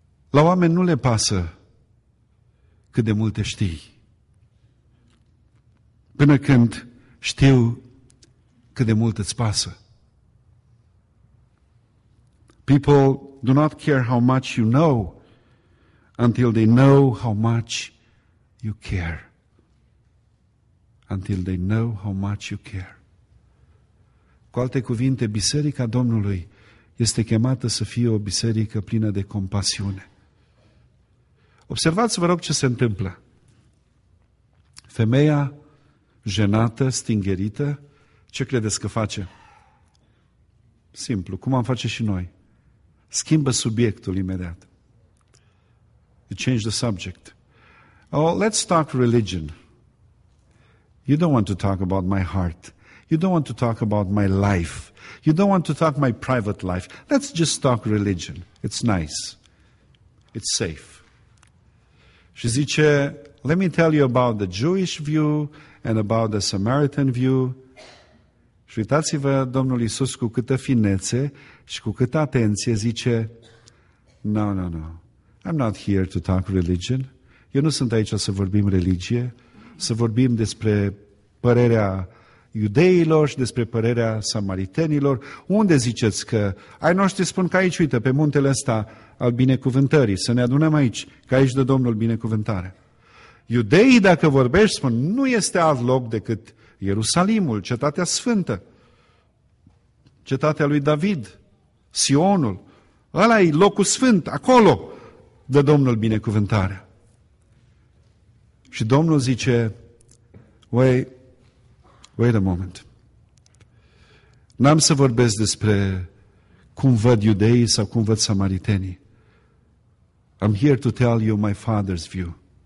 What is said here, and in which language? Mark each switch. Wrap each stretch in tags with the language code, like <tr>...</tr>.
<ro>La oameni nu le pasă cât de multe știi, până când știu cât de mult îți pasă.</ro> <en>People do not care how much you know until they know how much you care. Until they know how much you care.</en> <ro>Cu alte cuvinte, Biserica Domnului este chemată să fie o biserică plină de compasiune. Observați, vă rog, ce se întâmplă. Femeia jenată, stingherită, ce credeți că face? Simplu, cum am face și noi. Schimbă subiectul imediat.</ro> <en>You change the subject. Oh, let's talk religion. You don't want to talk about my heart. You don't want to talk about my life. You don't want to talk my private life. Let's just talk religion. It's nice. It's safe.</en> <ro>Și zice,</ro> <en>let me tell you about the Jewish view and about the Samaritan view.</en> <ro>Și uitați-vă, Domnul Iisus, cu câtă finețe și cu câtă atenție zice,</ro> <en>no, I'm not here to talk religion.</en> <ro>Eu nu sunt aici să vorbim religie, să vorbim despre părerea iudeilor și despre părerea samaritenilor. Unde ziceți că, ai noștri spun că aici, uite, pe muntele ăsta al binecuvântării, să ne adunăm aici, că aici dă Domnul binecuvântare. Iudeii, dacă vorbești, spun, nu este alt loc decât Ierusalimul, cetatea sfântă, cetatea lui David, Sionul, ăla e locul sfânt, acolo dă Domnul binecuvântare. Și Domnul zice,</ro> <en>wait a moment,</en> <ro>n-am să vorbesc despre cum văd iudeii sau cum văd samaritenii.</ro> <en>I'm here to tell you my father's view.</en>